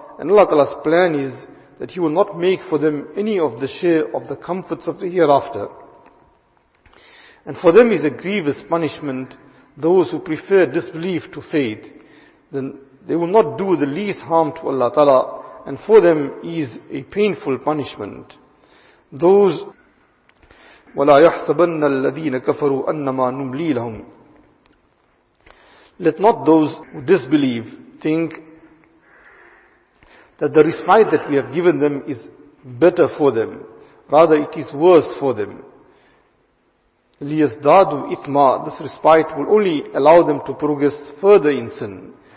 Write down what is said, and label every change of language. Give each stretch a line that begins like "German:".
English: And Allah ta'ala's plan is that He will not make for them any of the share of the comforts of the hereafter. And for them is a grievous punishment, those who prefer disbelief to faith. Then they will not do the least harm to Allah ta'ala, and for them is a painful punishment.
Arabic: Those, وَلَا يَحْسَبَنَّ الَّذِينَ كَفَرُوا أَنَّمَا نُمْلِي لَهُمْ.
English: Let not those who disbelieve think that the respite that we have given them is better for them. Rather, it is worse for them.
Arabic: لِيَزْدَادُوا إِثْمًا.
English: This respite will only allow them to progress further in sin.